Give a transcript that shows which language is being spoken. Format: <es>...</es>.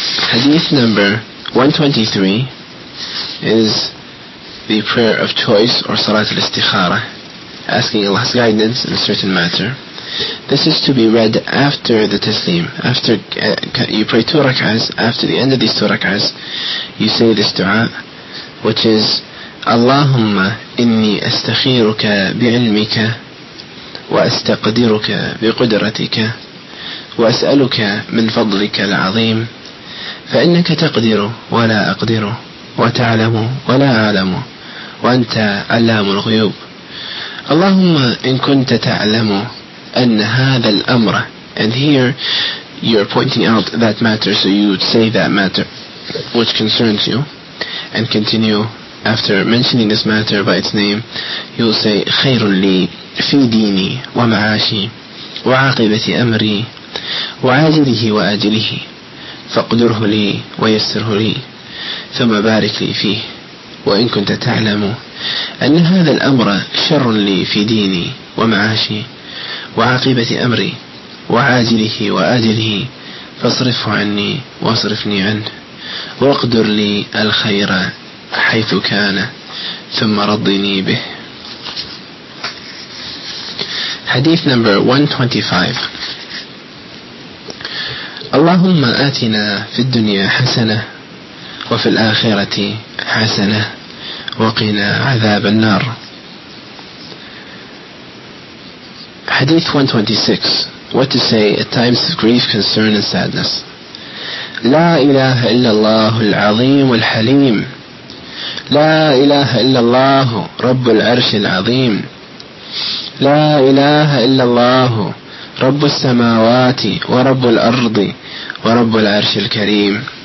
<en>Hadith number 123 is the prayer of choice, or Salat al-Istikhara, asking Allah's guidance in a certain matter. This is to be read after the taslim. After you pray 2 rak'ahs, after the end of these 2 rak'ahs, you say this dua, which is</en> <ar>اللهم إني أستخيرك بعلمك وأستقدرك بقدرتك وأسألك من فضلك العظيم فإنك تقدر ولا أقدر وتعلم ولا أعلم وأنت علام الغيوب. اللهم إن كنت تعلم أن هذا الأمر.</ar> <en>And here you're pointing out that matter, so you would say that matter which concerns you and continue. After mentioning this matter by its name, you will say</en> <ar>خَيْرٌ لِي فِي دِينِي وَمَعَاشِي وَعَاقِبَةِ أَمْرِي وَعَاجِلِهِ وَآجِلِهِ فَاقْدُرْهُ لِي وَيَسِّرْهُ لِي ثُمَّ بَارِكْ لِي فِيهِ وَإِنْ كُنْتَ تَعْلَمُ أَنَّ هَذَا الْأَمْرَ شَرٌ لِي فِي دِينِي وَمَعَاشِي وَعَاقِبَةِ أَمْرِي وَعَاجِلِهِ وَآجِلِهِ فَاصْرِفْهُ عَنِّي وَاصْرِفْنِي عَنْهُ. واقدر لي الخير حيث كان ثم رضني به. حديث نمبر 125. اللهم آتنا في الدنيا حسنة وفي الآخرة حسنة وقنا عذاب النار. حديث 126.</ar> <en>What to say at times of grief, concern and sadness.</en> <ar>لا إله إلا الله العظيم الحليم. لا إله إلا الله رب العرش العظيم. لا إله إلا الله رب السماوات ورب الأرض ورب العرش الكريم.</ar>